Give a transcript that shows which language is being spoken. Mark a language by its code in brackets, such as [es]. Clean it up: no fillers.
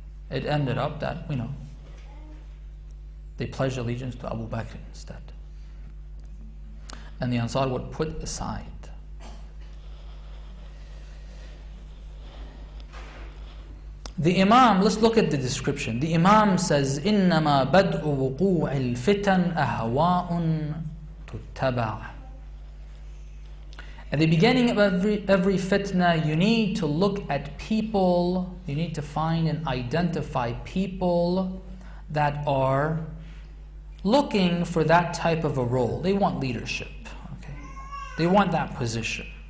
[en] It ended up that, you know, they pledged allegiance to Abu Bakr instead. And the Ansar would put aside. The Imam, let's look at the description. The Imam says, [ar] إِنَّمَا بَدْءُ وُقُوعِ الْفِتَنْ أَهَوَاءٌ تُتَّبَعُ. [en] At the beginning of every fitna, you need to look at people, you need to find and identify people that are looking for that type of a role. They want leadership, okay? They want that position.